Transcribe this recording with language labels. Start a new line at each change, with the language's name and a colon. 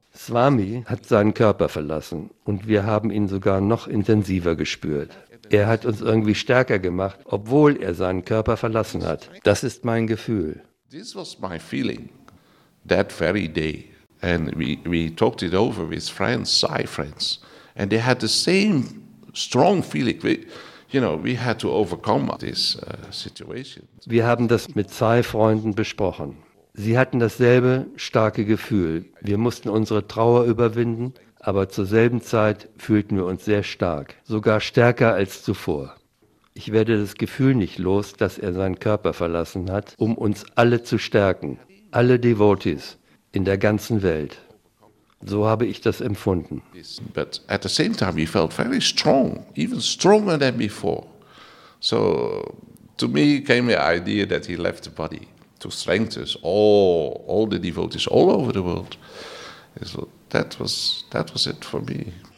German: Swami hat seinen Körper verlassen und wir haben ihn sogar noch intensiver gespürt. Er hat uns irgendwie stärker gemacht, obwohl er seinen Körper verlassen hat. Das ist mein Gefühl.
English: This was my feeling that very day. And we talked it over with friends, Sai friends. And they had the same strong feeling. We had to overcome this situation.
German: Wir haben das mit Sai Freunden besprochen. Sie hatten dasselbe starke Gefühl. Wir mussten unsere Trauer überwinden, aber zur selben Zeit fühlten wir uns sehr stark, sogar stärker als zuvor. Ich werde das Gefühl nicht los, dass er seinen Körper verlassen hat, um uns alle zu stärken, alle Devotees in der ganzen Welt. So habe ich das empfunden.
English: But at the same time, we felt very strong, even stronger than before. So to me came the idea that he left the body. To strengthen us, all the devotees all over the world. So that was it for me.